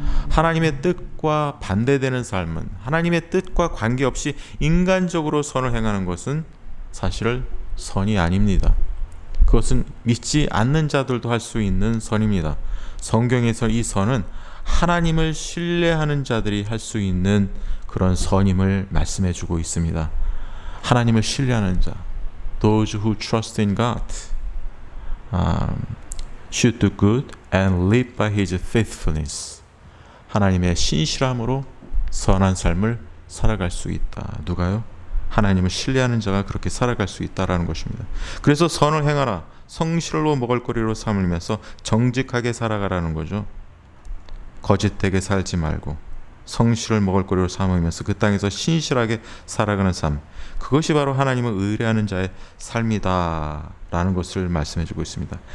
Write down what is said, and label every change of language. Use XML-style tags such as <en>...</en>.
<ko>하나님의 뜻과 반대되는 삶은, 하나님의 뜻과 관계없이 인간적으로 선을 행하는 것은 사실 선이 아닙니다. 그것은 믿지 않는 자들도 할 수 있는 선입니다. 성경에서 이 선은 하나님을 신뢰하는 자들이 할 수 있는 그런 선임을 말씀해 주고 있습니다. 하나님을 신뢰하는 자,</ko> <en>Those who trust in God should do good and live by His faithfulness.</en> <ko>하나님의 신실함으로 선한 삶을 살아갈 수 있다. 누가요? 하나님을 신뢰하는 자가 그렇게 살아갈 수 있다라는 것입니다. 그래서 선을 행하라. 성실로 먹을거리로 삼으면서 정직하게 살아가라는 거죠. 거짓되게 살지 말고 성실을 먹을거리로 삼으면서 그 땅에서 신실하게 살아가는 삶, 그것이 바로 하나님을 의뢰하는 자의 삶이다라는 것을 말씀해주고 있습니다.</ko>